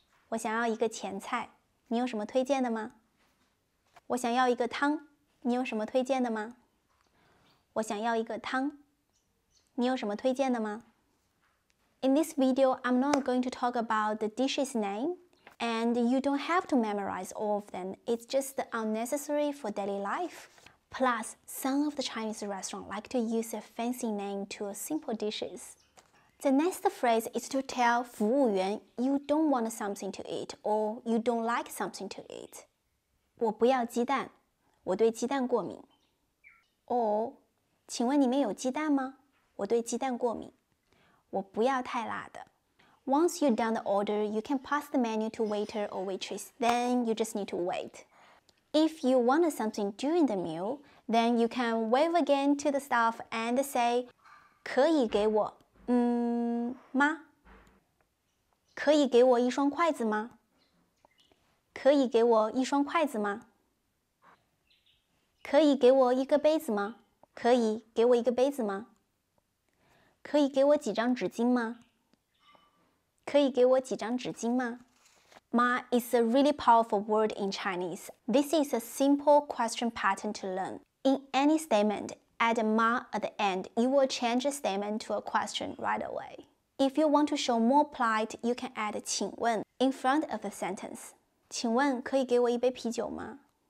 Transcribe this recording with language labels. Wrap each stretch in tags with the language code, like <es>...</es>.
<zh>我想要一个前菜，你有什么推荐的吗？我想要一个汤，你有什么推荐的吗？我想要一个汤，你有什么推荐的吗？</zh> <en>In this video, I'm not going to talk about the dishes name, and you don't have to memorize all of them. It's just unnecessary for daily life. Plus, some of the Chinese restaurants like to use a fancy name to simple dishes. The next phrase is to tell</en> <zh>服务员</zh> <en>you don't want something to eat or you don't like something to eat.</en> <zh>我不要鸡蛋，我对鸡蛋过敏。</zh> <en>Or,</en> <zh>请问你们有鸡蛋吗？我对鸡蛋过敏。我不要太辣的。</zh> <en>Once you've done the order, you can pass the menu to waiter or waitress, then you just need to wait. If you want something during the meal, then you can wave again to the staff and say,</en> <zh>可以给我。妈，可以给我一双筷子吗？可以给我一双筷子吗？可以给我一个杯子吗？可以给我一个杯子吗？可以给我几张纸巾吗？可以给我几张纸巾吗？</zh> <en>Ma is a really powerful word in Chinese. This is a simple question pattern to learn. In any statement, add ma at the end. You will change the statement to a question right away. If you want to show more polite, you can add</en> <zh>请问</zh> <en>in front of the sentence.</en> <zh>请问可以给我一杯啤酒吗？</zh>